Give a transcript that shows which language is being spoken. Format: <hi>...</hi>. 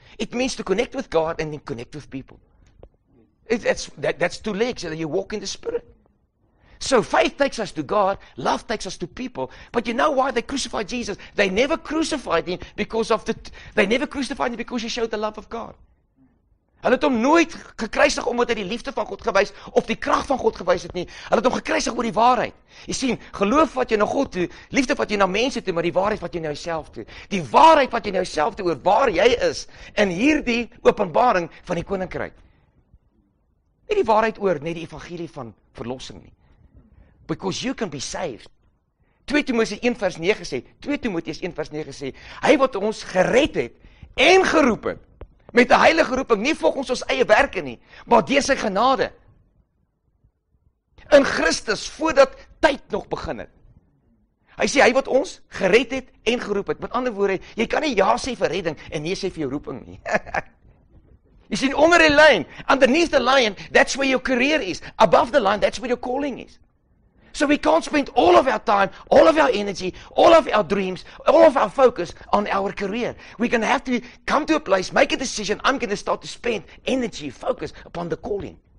<en>It means to connect with God and then connect with people. That's two legs. You walk in the Spirit. So faith takes us to God. Love takes us to people. But you know why they crucified Jesus? They never crucified him because of the... They never crucified him because he showed the love of God.</en> <af>Hulle het hom nooit gekruisig omdat hy die liefde van God gewys of die krag van God gewys het nie. Hulle het hom gekruisig oor die waarheid. Jy sien, geloof wat jy na God toe, liefde wat jy na mense toe, maar die waarheid wat jy na jouself toe. Die waarheid wat jy na jouself toe oor waar jy is in hierdie openbaring van die koninkryk. Nie die waarheid oor net die evangelie van verlossing nie.</af> <en>Because you can be saved.</en> <af>2 Timoteus 1 vers 9 sê, 2 Timoteus 1 vers 9 sê, hy wat ons gered het en geroep het met de heilige roeping, nie volgens ons eie werke nie, maar deur sy genade. In Christus, voordat tyd nog begin het. Hy sê, hy wat ons gered het en geroep het, met ander woorde, jy kan nie ja sê vir redding, en nee sê vir jou roeping nie. Jy sê, onder die lijn,</af> <en>underneath the line, that's where your career is. Above the line, that's where your calling is. So we can't spend all of our time, all of our energy, all of our dreams, all of our focus on our career. We're going to have to come to a place, make a decision, I'm going to start to spend energy, focus upon the calling.</en>